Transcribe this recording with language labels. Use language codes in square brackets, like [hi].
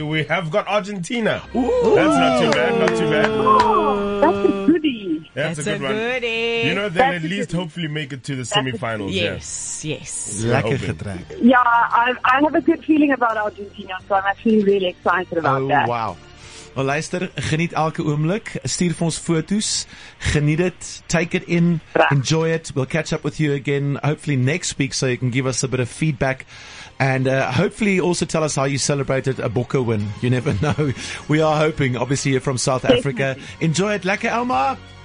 [en] We have got Argentina. Ooh. That's not too bad. Not too bad. That's a good one. You know, they'll at least hopefully make it to the semifinals. Yes. Like a track. Yeah, I have a good feeling about Argentina, so I'm actually really excited about that. Oh, wow. [af] Well, luister, geniet elke oomblik. Stuur vir ons foto's. Geniet [en] it. Take it in. Enjoy it. We'll catch up with you again, hopefully next week, so you can give us a bit of feedback. And hopefully also tell us how you celebrated a Boca win. You never know. We are hoping. Obviously, you're from South Africa. Enjoy it. Lekker, Alma.